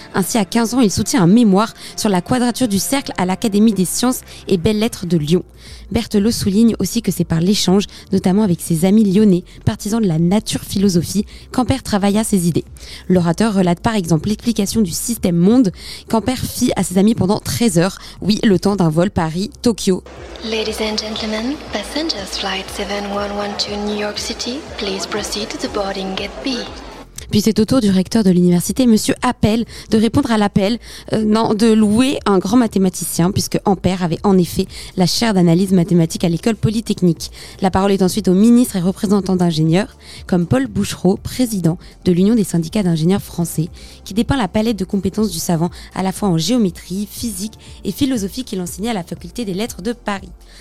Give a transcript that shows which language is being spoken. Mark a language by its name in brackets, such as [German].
[French] Ainsi, à 15 ans, il soutient un mémoire sur la quadrature du cercle à l'Académie des sciences et belles-lettres de Lyon. Berthelot souligne aussi que c'est par l'échange, notamment avec ses amis lyonnais, partisans de la nature-philosophie, qu'Ampère travailla ses idées. L'orateur relate par exemple l'explication du système monde qu'Ampère fit à ses amis pendant 13 heures, oui, le temps d'un vol Paris-Tokyo. [English] Ladies and gentlemen, passengers flight 7112 New York City, please proceed to the boarding gate B. [French] Puis c'est au tour du recteur de l'université, monsieur Appel, de répondre à l'appel, de louer un grand mathématicien, puisque Ampère avait en effet la chaire d'analyse mathématique à l'école polytechnique. La parole est ensuite au ministre et représentant d'ingénieurs, comme Paul Bouchereau, président de l'Union des syndicats d'ingénieurs français, qui dépeint la palette de compétences du savant, à la fois en géométrie, physique et philosophie qu'il enseignait à la faculté des lettres de Paris.